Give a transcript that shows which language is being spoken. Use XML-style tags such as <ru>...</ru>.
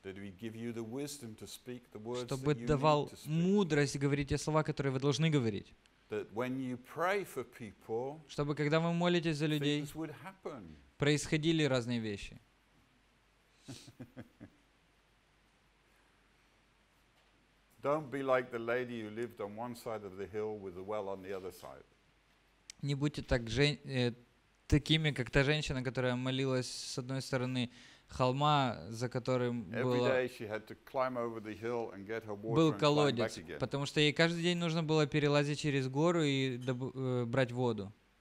<en>That He would give you the wisdom to speak the words that you need to speak.</en> <ru>Чтобы давал мудрость говорить те слова, которые вы должны говорить.</ru> <en>That when you pray for people,</en> <ru>чтобы когда вы молитесь за людей,</ru> <en>things would happen.</en> <ru>Происходили разные вещи.</ru> <en>Don't be like the lady who lived on one side of the hill with the well on the other side.</en> <ru>Не будьте так такими, как та женщина, которая молилась с одной стороны холма, за которым был колодец, потому что ей каждый день нужно было перелазить через гору и брать воду.</ru>